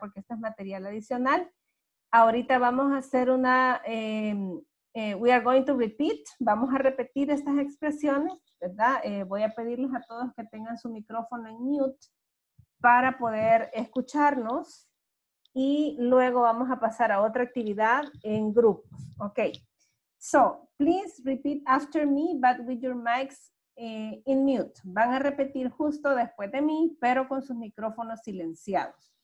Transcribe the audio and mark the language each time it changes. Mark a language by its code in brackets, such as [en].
[es] Porque este es material adicional. Ahorita vamos a hacer una, [en] we are going to repeat, [es] vamos a repetir estas expresiones, ¿verdad? Voy a pedirles a todos que tengan su micrófono en mute para poder escucharnos y luego vamos a pasar a otra actividad en grupos. [en] Ok, so please repeat after me, but with your mics in mute. [es] Van a repetir justo después de mí, pero con sus micrófonos silenciados.